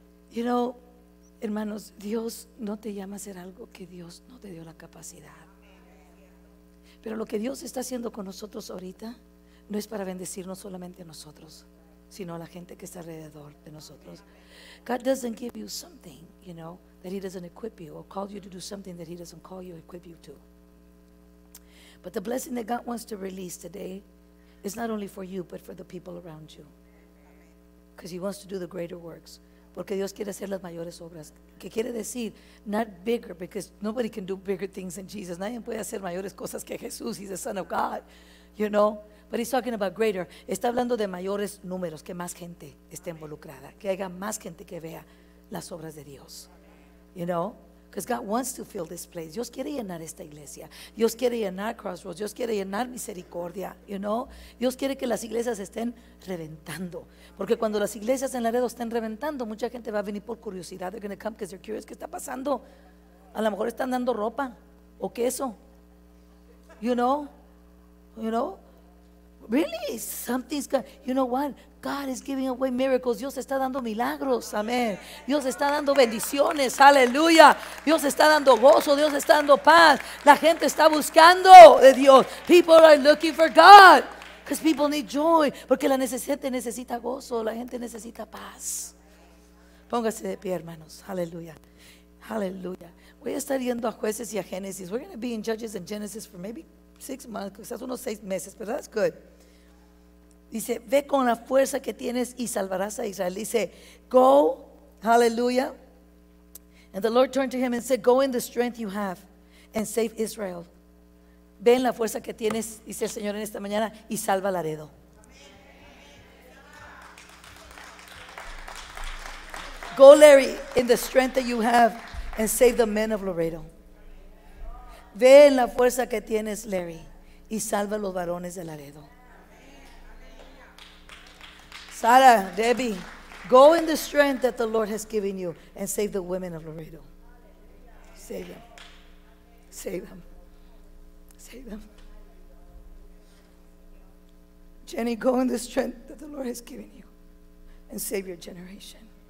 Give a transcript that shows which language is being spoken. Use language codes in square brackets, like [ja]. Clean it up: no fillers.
[es] You know, hermanos, Dios no te llama a hacer algo que Dios no te dio la capacidad. Pero lo que Dios está haciendo con nosotros ahorita no es para bendecirnos solamente a nosotros, sino a la gente que está alrededor de nosotros. [en] God doesn't give you something, you know, that he doesn't equip you, or call you to do something that he doesn't call you or equip you to. But the blessing that God wants to release today is not only for you, but for the people around you. Because he wants to do the greater works. [es] Porque Dios quiere hacer las mayores obras. ¿Qué quiere decir? [en] Not bigger, because nobody can do bigger things than Jesus. [es] Nadie puede hacer mayores cosas que Jesús. [en] He's the Son of God, you know. But he's talking about greater. [es] Está hablando de mayores números, que más gente esté involucrada, que haya más gente que vea las obras de Dios. [en] You know, because God wants to fill this place. [es] Dios quiere llenar esta iglesia. Dios quiere llenar Crossroads. Dios quiere llenar Misericordia. You know, Dios quiere que las iglesias estén reventando. Porque cuando las iglesias en Laredo estén reventando, mucha gente va a venir por curiosidad. [en] They're going to come because they're curious. [es] ¿Qué está pasando? A lo mejor están dando ropa o queso. [en] You know, you know. Really, something's got, you know what? God is giving away miracles. [es] Dios está dando milagros, amén. Dios está dando bendiciones, aleluya. Dios está dando gozo, Dios está dando paz. La gente está buscando de Dios. [en] People are looking for God because people need joy. [es] Porque la necesidad necesita gozo, la gente necesita paz. Póngase de pie, hermanos, aleluya, aleluya. Voy a estar yendo a Jueces y a Génesis. [en] We're going to be in Judges and Genesis for maybe 6 months, [es] quizás unos 6 meses, pero [en] that's good. [es] Dice, ve con la fuerza que tienes y salvarás a Israel. [en] Dice, go, hallelujah. And the Lord turned to him and said, go in the strength you have and save Israel. [es] Ve en la fuerza que tienes, dice el Señor en esta mañana, y salva Laredo. [en] Go, Larry, in the strength that you have and save the men of Laredo. [es] Ve en la fuerza que tienes, Larry, y salva a los varones de Laredo. [en] Sara, Debbie, go in the strength that the Lord has given you and save the women of Laredo. Save them. Save them. Save them. Jenny, go in the strength that the Lord has given you and save your generation.